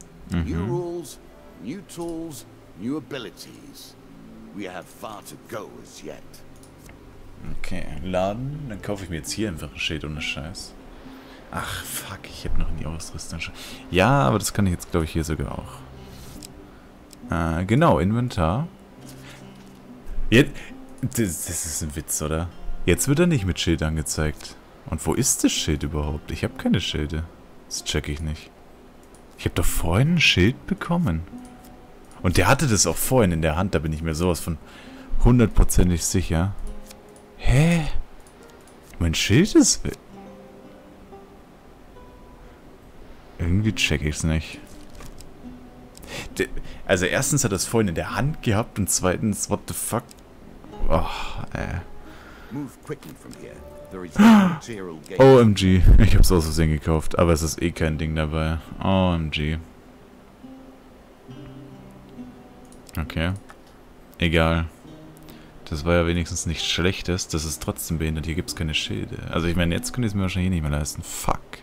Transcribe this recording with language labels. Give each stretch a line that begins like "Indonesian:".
English: New rules, new tools, new abilities. We have far to go as yet.
German: Okay, laden. Dann kaufe ich mir jetzt hier einfach ein Schild ohne Scheiß. Ach, fuck, ich hätte noch nie Ausrüstung. Ja, aber das kann ich jetzt, glaube ich, hier sogar auch. Genau, Inventar. Jetzt, das ist ein Witz, oder? Jetzt wird er nicht mit Schild angezeigt. Und wo ist das Schild überhaupt? Ich habe keine Schilde. Das checke ich nicht. Ich habe doch vorhin ein Schild bekommen. Und der hatte das auch vorhin in der Hand. Da bin ich mir sowas von hundertprozentig sicher. Hä? Mein Schild ist... Irgendwie checke ich es nicht. Also erstens hat er es vorhin in der Hand gehabt und zweitens,
English: what the fuck? Oh, Move quickly from here. There is material gain.
German: OMG, ich hab's aus Versehen gekauft, aber es ist eh kein Ding dabei. OMG. Okay. Egal. Das war ja wenigstens nichts Schlechtes, das ist trotzdem behindert. Hier gibt's keine Schilde. Also ich meine, jetzt könnte ich es mir wahrscheinlich nicht mehr leisten. Fuck.